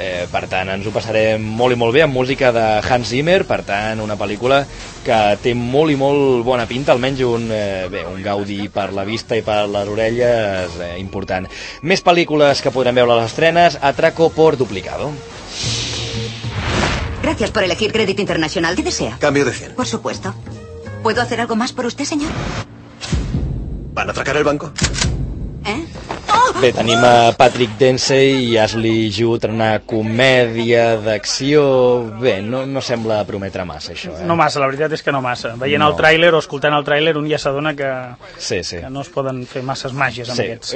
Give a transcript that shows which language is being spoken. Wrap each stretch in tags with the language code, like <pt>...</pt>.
<ca>Per tant, ens ho passarem molt i molt bé, amb música de Hans Zimmer, per tant, una pel·lícula que té molt i molt bona pinta, almenys un gaudi per la vista i per les orelles important. Més pel·lícules que podrem veure a les estrenes, Atraco por Duplicado.</ca> <es>Gracias por elegir Crédito Internacional. ¿Qué desea? Cambio de 100. Por supuesto. ¿Puedo hacer algo más por usted, señor? ¿Van a atracar el banco?</es> <ca>Bé, tenim a Patrick Dempsey i Ashley Judd en una comèdia d'acció. Bé, no sembla prometre massa, això, eh? No massa, la veritat és que no massa. Veient el tràiler o escoltant el tràiler, un ja s'adona que, sí. que no es poden fer masses màgies amb aquests.</ca>